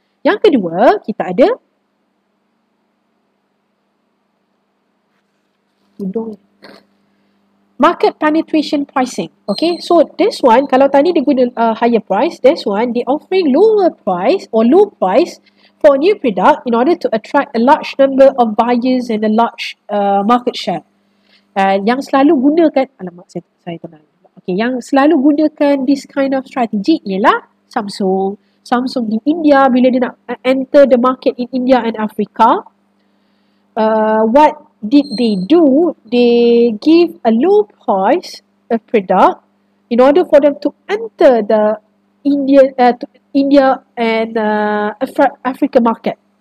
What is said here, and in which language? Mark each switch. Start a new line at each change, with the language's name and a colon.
Malay: Yang kedua, kita ada market penetration pricing.
English: Okay, so this one,
Malay: kalau tadi dia guna
English: higher price, this one, they offering lower price or low price for a new product in order to attract a large number of buyers and a large market share.
Malay: Yang selalu gunakan, alamak, saya tenang. Okay, yang selalu gunakan
English: this kind of strategy
Malay: ialah Samsung.
English: Samsung
Malay: di India, bila dia nak
English: enter the market in India and Africa, what did they do? They give a low price a product in order for them to enter the India and Africa market.